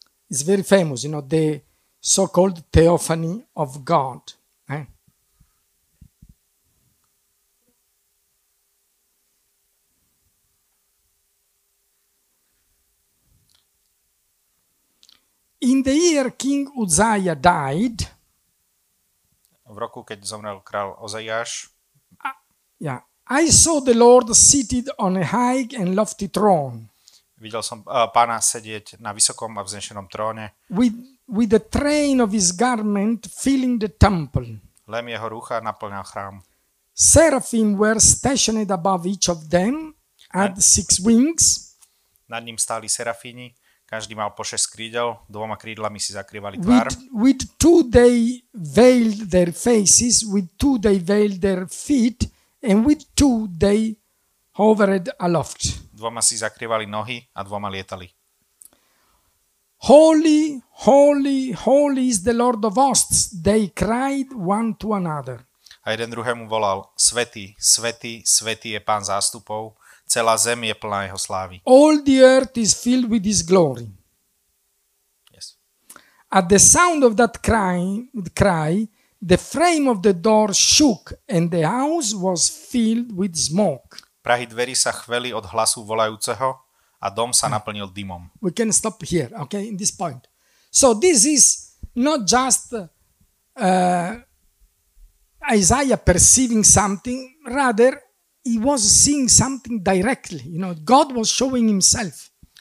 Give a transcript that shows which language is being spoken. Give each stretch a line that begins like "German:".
English: It's very famous, you know, the so-called theophany of God. Eh? In the year King Uzziah died,
Slovak: v roku, keď zomrel král Ozajáš,
English: I saw the Lord seated on a high and lofty throne.
Slovak: Videl som pána sedieť na vysokom a vznešenom tróne.
English: With the train of his garment filling the temple.
Slovak: Lem jeho rúcha naplňal chrám.
English: Seraphim were stationed above each of them, had six wings.
Slovak: Nad ním stáli serafíni, každý mal po 6 krídel, dvoma krídlami si zakrývali tvár.
English: With two they veiled their faces, with two they veiled their feet, and with two they hovered aloft.
Slovak: Dvoma si zakrývali nohy a dvoma lietali.
English: Holy, holy, holy is the Lord of hosts, they cried one to another.
Slovak: A jeden druhému volal: Svätý, svätý, svätý je Pán zástupov, celá zem je plná jeho slávy.
English: All the earth is filled with his glory. Yes. At the sound of that cry, the frame of the door shook and the house was filled with smoke.
Slovak: Prahy dverí sa chveli od hlasu volajúceho a dom sa naplnil dymom.
English: We can stop here, okay, in this point. So this is not just Isaiah perceiving something, rather he was seeing something directly, you know, God was showing himself.